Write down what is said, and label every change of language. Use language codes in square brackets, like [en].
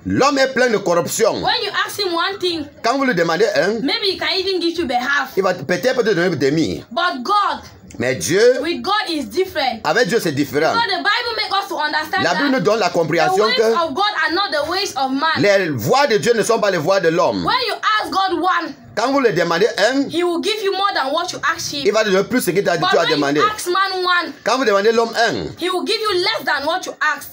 [fr] L'homme est plein de corruption. [en] When you ask him one thing, [fr] quand vous lui demandez un, [en] maybe he can even give you behalf. [fr] Il va peut-être te donner demi. [en] But God, [fr] mais Dieu, [en] with God is different. [fr] Avec Dieu c'est différent. [en] Because the Bible makes us to understand [fr] la Bible nous donne la compréhension [en] the ways of God are not the ways of man. [fr] Les voies de Dieu ne sont pas les voies de l'homme. [en] When you ask God one, [fr] quand vous le demandez un, [en] he will give you more than what you ask him. [fr] Il va te donner plus ce que tu as demandé. [en] But when you ask man one, [fr] quand vous demandez l'homme un, [en] he will give you less than what you ask.